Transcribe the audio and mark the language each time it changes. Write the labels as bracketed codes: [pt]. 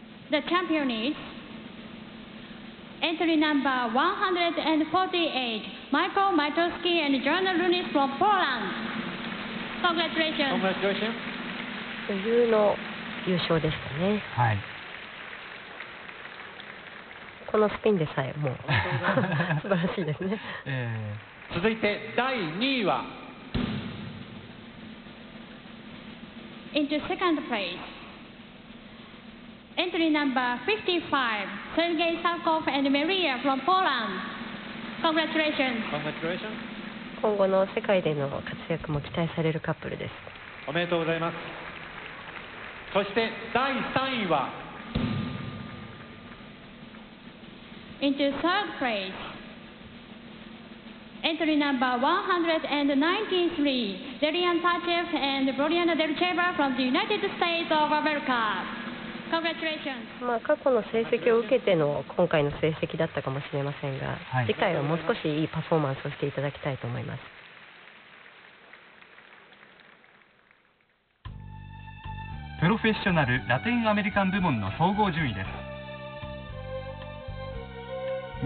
[en] The champion is entry number 148, Michael Majewski and Joanna Lunis from Poland. Congratulations. Congratulations. [ja] というの優勝でしたね。はい。このスピンでさえもう素晴らしいですね。続いて第2位は、 [en] Into second place. Entry number 55, Sergei Sarkov and Maria from Poland. Congratulations. Congratulations. [ja] 今後の世界での活躍も期待されるカップルです。おめでとうございます。そして第3位は、 [en] Into third place. Entry number 193, Darian Tachev and Boriana Delcheva from the United States of America. [ja] まあ、過去の成績を受けての今回の成績だったかもしれませんが、次回はもう少しいいパフォーマンスをしていただきたいと思います。プロフェッショナルラテンアメリカン部門の総合順位です。